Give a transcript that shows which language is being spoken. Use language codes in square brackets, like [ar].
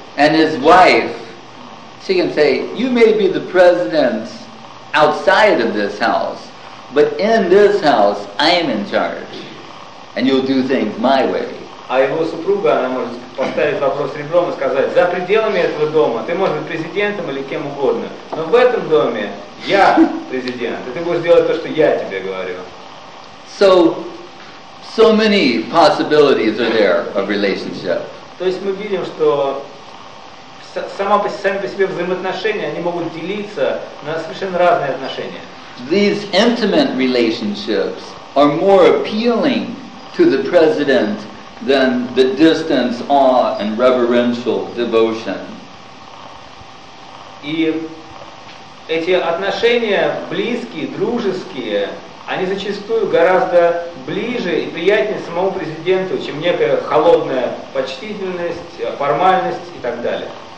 [en] And his wife, she can say, you may be the president outside of this house, but in this house, I am in charge. And you'll do things my way. [ru] А его супруга, она может поставить вопрос ребром и сказать, за пределами этого дома, ты можешь быть президентом или кем угодно, но в этом доме я президент, и ты будешь делать то, что я тебе говорю. [en] So many possibilities are there of relationship. [ru] То есть мы видим, что сами по себе взаимоотношения, они могут делиться на совершенно разные отношения. [en] These intimate relationships are more appealing to the president than the distant awe and reverential devotion. [ru] И эти отношения близкие, дружеские, они зачастую гораздо ближе и приятнее самому президенту, чем некая холодная почтительность, формальность и так далее.